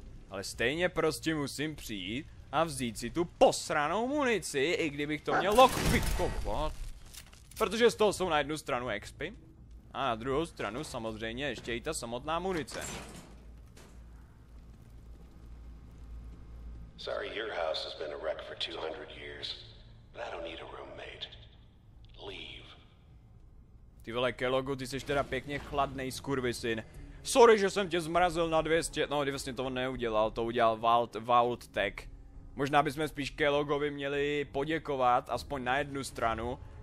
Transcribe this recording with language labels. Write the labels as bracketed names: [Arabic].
[Czech] Ale stejně prostě musím přijít a vzít si tu posranou munici, i kdybych to měl lockpickovat. Protože z toho jsou na jednu stranu expy. A na druhou stranu samozřejmě ještě i ta samotná munice. [English] Sorry, your house has been a wreck for 200 years, but I don't need a roommate. Leave. [Czech] Ty vole, Kellogu, ty jsi teda pěkně chladnej, skurvy syn. Sorry, že jsem tě zmrazil na 200, no, vlastně to on neudělal, to udělal Vault-Tec. Možná bychom spíš Kellogovi měli poděkovat, aspoň na jednu stranu.